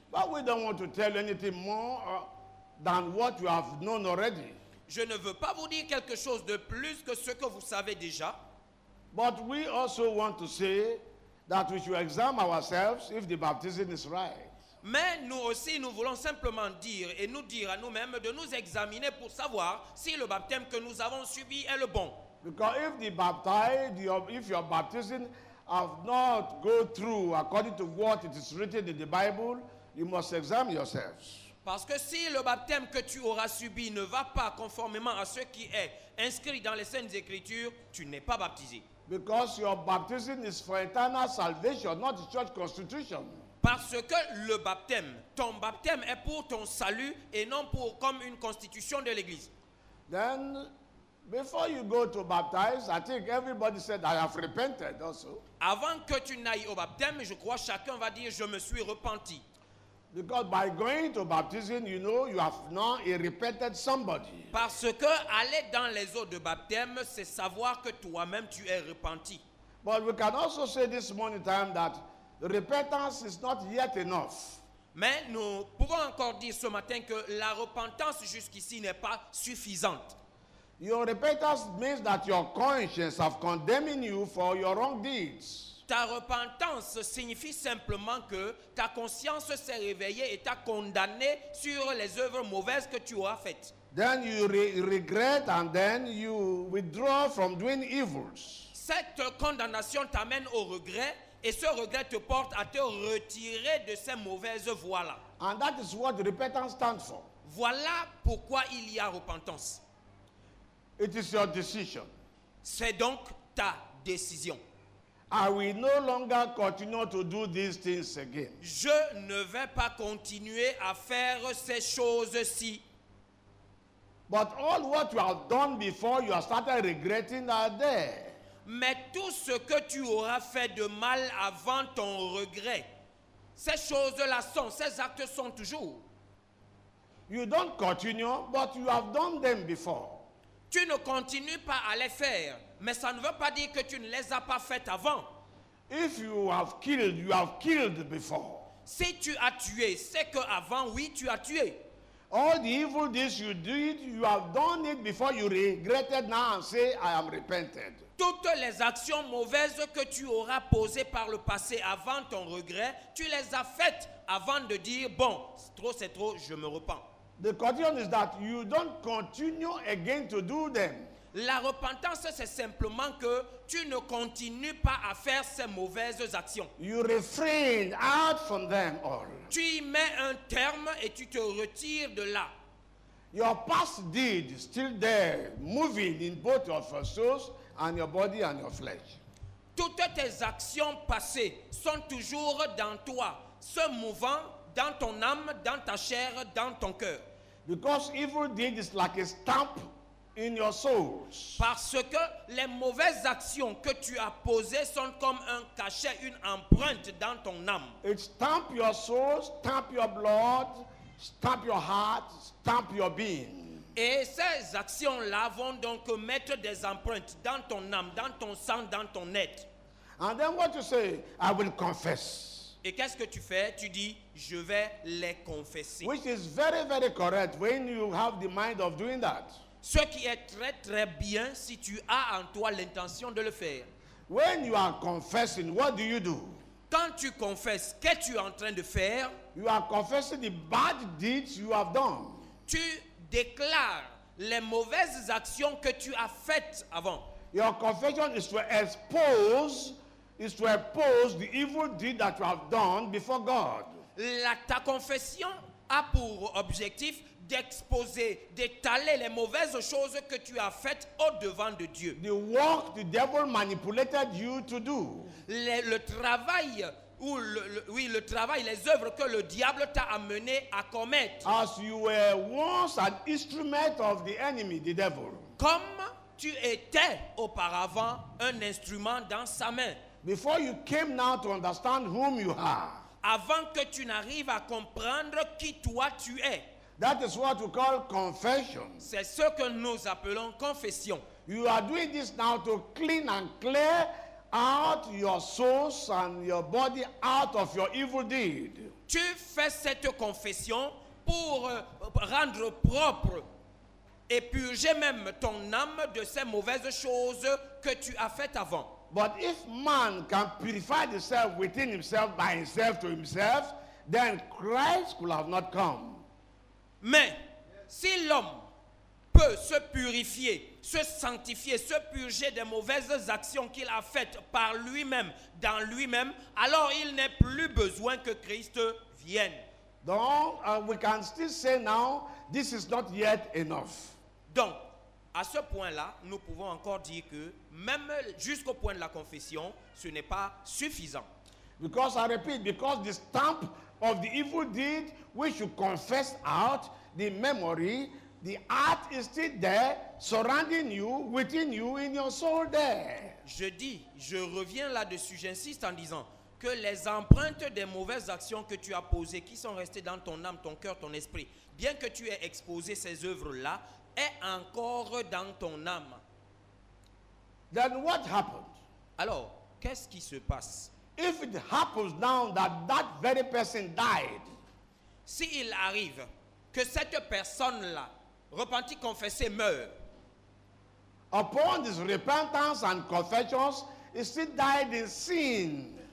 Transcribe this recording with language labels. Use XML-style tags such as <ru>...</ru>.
<en>But we don't want to tell anything more than what you have known already.</en> <fr>Je ne veux pas vous dire quelque chose de plus que ce que vous savez déjà.</fr> <en>But we also want to say that we should examine ourselves if the baptism is right.</en> <fr>Mais nous aussi, nous voulons simplement dire et nous dire à nous-mêmes de nous examiner pour savoir si le baptême que nous avons subi est le bon.</fr> <en>Because if the baptized, if your baptism have not go through according to what it is written in the Bible, you must examine yourselves.</en> <fr>Parce que si le baptême que tu auras subi ne va pas conformément à ce qui est inscrit dans les Saintes Écritures, tu n'es pas baptisé.</fr> <en>Because your baptism is for eternal salvation, not the church constitution.</en> <fr>Parce que le baptême, ton baptême est pour ton salut et non pour comme une constitution de l'Église.</fr> <en>Then, before you go to baptize, I think everybody said I have repented also.</en> <fr>Avant que tu n'ailles au baptême, je crois chacun va dire je me suis repenti.</fr> <en>Because by going to baptism, you know you have now repented somebody.</en> <fr>Parce que aller dans les eaux de baptême, c'est savoir que toi-même tu es repenti.</fr> <en>But we can also say this morning time that repentance is not yet enough.</en> <fr>Mais nous pouvons encore dire ce matin que la repentance jusqu'ici n'est pas suffisante.</fr> <en>Your repentance means that your conscience has condemned you for your wrong deeds.</en> <fr>Ta repentance signifie simplement que ta conscience s'est réveillée et t'a condamné sur les œuvres mauvaises que tu as faites.</fr> <en>Then you regret and then you withdraw from doing evils.</en> <fr>Cette condamnation t'amène au regret et ce regret te porte à te retirer de ces mauvaises voies-là.</fr> <en>And that is what repentance stands for.</en> <fr>Voilà pourquoi il y a repentance.</fr> <en>It is your decision.</en> <fr>C'est donc ta décision.</fr> <en>I will no longer continue to do these things again.</en> <fr>Je ne vais pas continuer à faire ces choses-ci.</fr> <en>But all what you have done before, you have started regretting are there.</en> <fr>Mais tout ce que tu auras fait de mal avant ton regret, ces choses-là sont, ces actes sont toujours.</fr> <en>You don't continue, but you have done them before.</en> <fr>Tu ne continues pas à les faire. Mais ça ne veut pas dire que tu ne les as pas faites avant.</fr> <en>If you have killed, you have killed before.</en> <fr>Si tu as tué, c'est que avant, oui, tu as tué.</fr> <en>All the evil deeds you did, you have done it before you regretted now and say, I am repented.</en> <fr>Toutes les actions mauvaises que tu auras posées par le passé avant ton regret, tu les as faites avant de dire, bon, c'est trop, je me repens.</fr> <en>The condition is that you don't continue again to do them.</en> <fr>La repentance, c'est simplement que tu ne continues pas à faire ces mauvaises actions.</fr> <en>You refrain out from them all.</en> <fr>Tu y mets un terme et tu te retires de là.</fr> <en>Your past deed is still there, moving in both your souls and your body and your flesh.</en> <fr>Toutes tes actions passées sont toujours dans toi, se mouvant dans ton âme, dans ta chair, dans ton cœur.</fr> <en>Because evil deed is like a stamp in your souls.</en> <fr>Parce que les mauvaises actions que tu as posées sont comme un cachet, une empreinte dans ton âme.</fr> <en>It stamp your soul, stamp your blood, stamp your heart, stamp your being.</en> <fr>Et ces actions-là vont donc mettre des empreintes dans ton âme, dans ton sang, dans ton être.</fr> <en>And then what you say? I will confess.</en> <fr>Et qu'est-ce que tu fais? Tu dis, je vais les confesser.</fr> <en>Which is very, very correct when you have the mind of doing that.</en> <fr>Ce qui est très très bien si tu as en toi l'intention de le faire.</fr> <en>When you are confessing, what do you do?</en> <fr>Quand tu confesses, qu'est-ce que tu es en train de faire?</fr> <en>You are confessing the bad deeds you have done.</en> <fr>tu déclares les mauvaises actions que tu as faites avant.</fr> <en>Your confession is to expose the evil deed that you have done before God.</en> <fr>Ta confession a pour objectif d'exposer, d'étaler les mauvaises choses que tu as faites au devant de Dieu.</fr> <en>The work the devil manipulated you to do.</en> <fr>Le travail, les œuvres que le diable t'a amené à commettre.</fr> <en>As you were once an instrument of the enemy, the devil.</en> <fr>Comme tu étais auparavant un instrument dans sa main.</fr> <en>Before you came now to understand whom you are.</en> <fr>Avant que tu n'arrives à comprendre qui toi tu es.</fr> <en>That is what we call confession.</en> <fr>C'est ce que nous appelons confession.</fr> <en>You are doing this now to clean and clear out your souls and your body out of your evil deed.</en> <fr>Tu fais cette confession pour rendre propre et purger même ton âme de ces mauvaises choses que tu as faites avant.</fr> <en>But if man can purify himself within himself by himself to himself, then Christ could have not come.</en> <fr>Mais si l'homme peut se purifier, se sanctifier, se purger des mauvaises actions qu'il a faites par lui-même, dans lui-même, alors il n'est plus besoin que Christ vienne.</fr> <en>Donc, we can still say now, this is not yet enough.</en> <fr>Donc, à ce point-là, nous pouvons encore dire que même jusqu'au point de la confession, ce n'est pas suffisant.</fr> <en>Because I repeat, because the stamp of the evil deed which you confess out, the memory, the art is still there, surrounding you, within you, in your soul there.</en> <fr>Je dis, je reviens là-dessus, j'insiste en disant que les empreintes des mauvaises actions que tu as posées, qui sont restées dans ton âme, ton cœur, ton esprit, bien que tu aies exposé ces œuvres-là, est encore dans ton âme.</fr> <en>Then what happened?</en> <fr>Alors, qu'est-ce qui se passe?</fr> <en>If it happens now that that very person died,</en> <fr>si il arrive que cette personne-là, repentie, confessée, meurt,</fr> <en>upon his repentance and confessions, he still died in sin.</en>